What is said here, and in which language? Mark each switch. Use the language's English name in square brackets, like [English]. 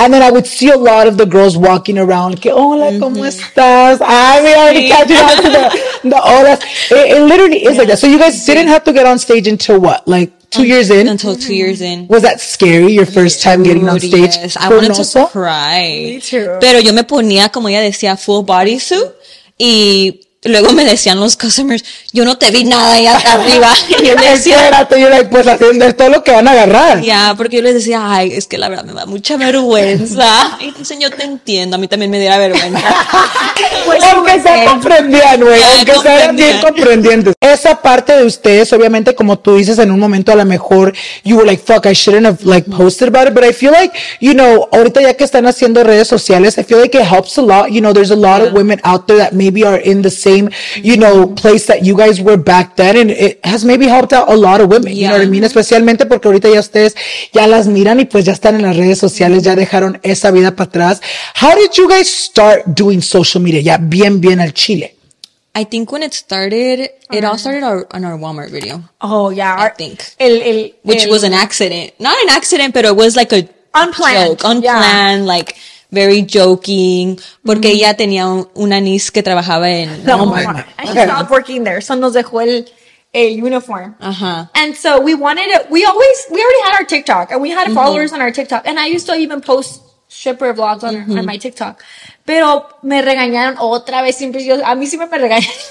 [English] And then I would see a lot of the girls walking around. Que hola, ¿cómo estás? I mean, I already catch you out to the horas. It literally is like that. So you guys didn't have to get on stage until what? Like, 2 years in? Until 2 years in. Was that scary, your first time getting on stage? Yes, I wanted to cry. Me too. [Spanish] Pero yo me ponía, como ella decía, full body suit, y... Luego me decían los customers, yo no te vi nada allá arriba. Y él decía, espérate, yo era like, pues haciendo todo lo que van a agarrar. Ya, yeah, porque yo les decía, ay, es que la verdad me da mucha vergüenza. Y dicen, yo te entiendo, a mí también me diera vergüenza. Pues, aunque se comprendían, güey, yeah, aunque se eran bien comprendientes. [English] Esa parte de ustedes, obviamente, como tú dices, en un momento a lo mejor, you were like, fuck, I shouldn't have like posted about it, but I feel like, you know, ahorita ya que están haciendo redes sociales, I feel like it helps a lot. You know, there's a lot of women out there that maybe are in the same, you know, place that you guys were back then, and it has maybe helped out a lot of women, you know what I mean? [Spanish] Especialmente porque ahorita ya ustedes ya las miran y pues ya están en las redes sociales, ya dejaron esa vida para atrás. [English] How did you guys start doing social media? [Spanish] Ya bien, bien al chile. [English] I think when it started, it all started on our Walmart video. Oh, yeah. I think. Which was an accident. Not an accident, but it was like a unplanned joke. Unplanned, yeah. Like... very joking, porque ella tenía una niece que trabajaba en Walmart. And she stopped working there, so nos dejó el uniform. Uh-huh. And so we already had our TikTok, and we had followers on our TikTok, and I used to even post stripper vlogs on my TikTok. [Spanish] Pero me regañaron otra vez, siempre, a mí siempre me regañan.